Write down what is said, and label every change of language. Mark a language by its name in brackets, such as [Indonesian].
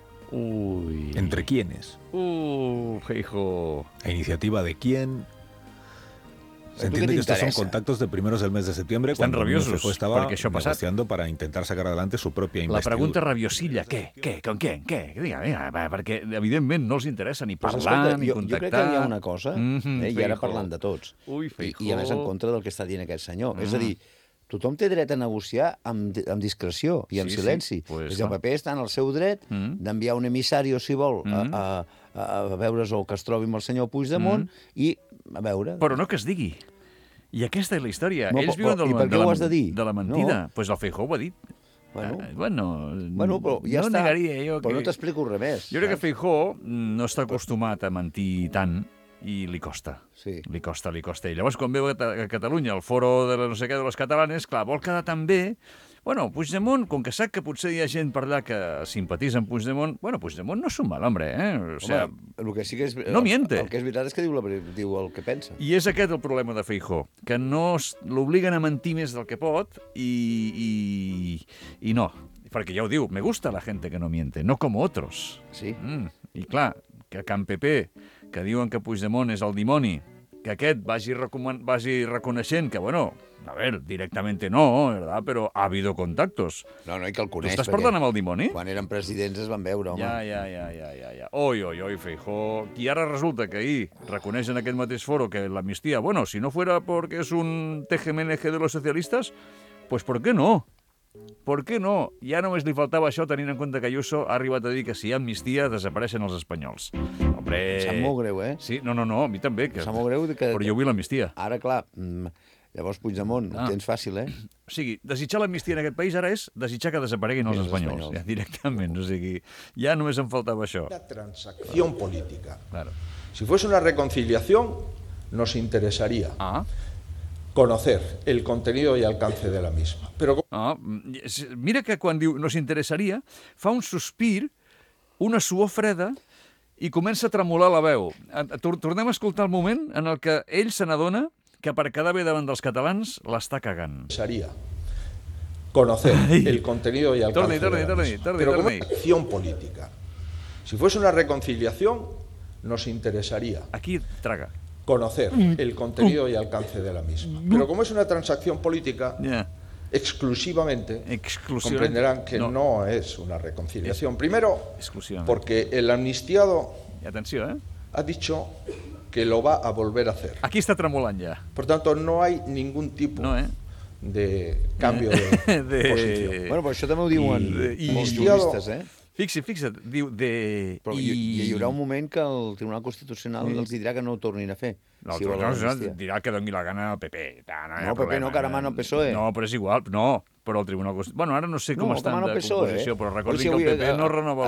[Spanish] Uy. ¿Entre quiénes? Hijo. ¿A iniciativa de quién? Se entiende que estos son contactos de primeros del mes de septiembre. Están rabiosos. Estaba negociando para intentar sacar adelante su propia investidura. La pregunta rabiosilla, ¿qué? ¿Qué? ¿Con quién? ¿Qué? [Catalan] Diga, perquè evidentment no els interessa ni parlar ni contactar. Jo crec que hi ha una cosa, i ara parlant de tots. Ui, i a més en contra del que està dient aquest senyor. És a dir, tothom té dret a negociar amb discreció i amb silenci. Pues el paper està en el seu dret d'enviar un emissari, si vol, a veure's o que es trobi amb el senyor Puigdemont i... A veure... Però no que es digui. I aquesta és la història. Ells viuen de la mentida. No. Pues el Feijóo ho ha dit. Bueno, però ja no està. Negaria, però que... no t'explico res més. Jo crec que Feijó no està acostumat a mentir tant i li costa. Sí. Li costa. I llavors, quan veu a Catalunya el foro de la no sé què de les catalanes, clar, vol quedar tan bé... Bueno, Puigdemont, com que sap que potser hi ha gent per allà que simpatitza amb Puigdemont, bueno, Puigdemont no és un mal home, eh? O sigui, home, el que sí que és... [Spanish] No miente. [Catalan] El que és veritat és que diu el que pensa. I és aquest el problema de Feijó, que no l'obliguen a mentir més del que pot i no. Perquè ja ho diu, [Spanish] me gusta la gente que no miente, no como otros. [Catalan] Sí. I clar, que Can PP, que diuen que Puigdemont és el dimoni, que aquest vagi reconeixent que, bueno... [Spanish] A ver, directamente no, ¿verdad? Pero ha habido contactos. [Catalan] No, no, i que el coneix. Estàs parlant amb el dimoni? Quan eren presidents es van veure, home. Ja. Oi, Feijó. I ara resulta que ahir reconeix en aquest mateix foro que l'amnistia, bueno, [Spanish] si no fuera porque es un tejemeneje de los socialistas, pues ¿por qué no? ¿Por qué no? [Catalan] Ja només li faltava això, tenint en compte que Ayuso ha arribat a dir que si hi ha amnistia, desapareixen els espanyols. [Spanish] Hombre... [Catalan] Sap molt greu, eh? Sí, no, a mi també. Que... Sap molt greu que... Però jo vull l'amnistia. Ara, clar... Llavors, Puigdemont, ho tens fàcil, eh? O sigui, desitjar l'amnistia en aquest país ara és desitjar que desapareguin els espanyols. Ja, directament, o sigui, ja només em faltava això. La transacció política. [Spanish] Claro. [Catalan] Si fos una reconciliació, [Spanish] nos interessaria conocer el contenido y alcance de la misma. Pero... [Catalan] Mira que quan diu nos interessaria, fa un sospir, una suor freda... i comença a tremolar la veu. Tornem a escoltar el moment en el que ell se n'adona que per quedar bé davant dels catalans l'està cagant. [Spanish] Seria conocer el contenido y alcance de la misma. [Catalan] Torni. [Spanish] Pero como una acción política. Si fuese una reconciliación, nos interesaría. [Catalan] Aquí traga. [Spanish] Conocer el contenido y alcance de la misma. Pero como es una transacción política, exclusivamente, comprenderán que no es una reconciliación. Primero, porque el amnistiado ha dicho... que lo va a volver a hacer. [Catalan] Aquí está tremolant ya. [Spanish] Por tanto, no hay ningún tipo de cambio de posición. [Catalan] Bueno, pues això també ho diuen molts juristes, eh? Fixa't, diu de... Però hi haurà un moment que el Tribunal Constitucional els dirà que no ho tornin a fer. Dirà que doni la gana al PP. No, PP no, que ara mana el PSOE. No, però és igual, no. Però el Tribunal Constitucional... Bueno, ara no sé com estan de composició, però recordi que el PP no renova...